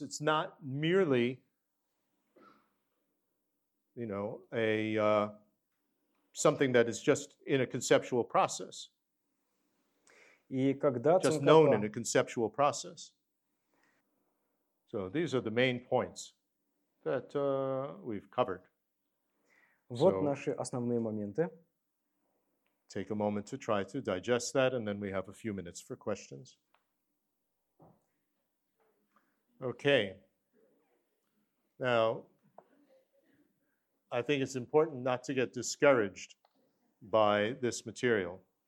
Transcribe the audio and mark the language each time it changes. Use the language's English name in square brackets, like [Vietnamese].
[English] It's not merely, you know, something that is just in a conceptual process. Just known in a conceptual process. So these are the main points that we've covered. [Russian] Вот наши основные моменты. [English] Take a moment to try to digest that, and then we have a few minutes for questions. Okay. Now, I think it's important not to get discouraged by this material.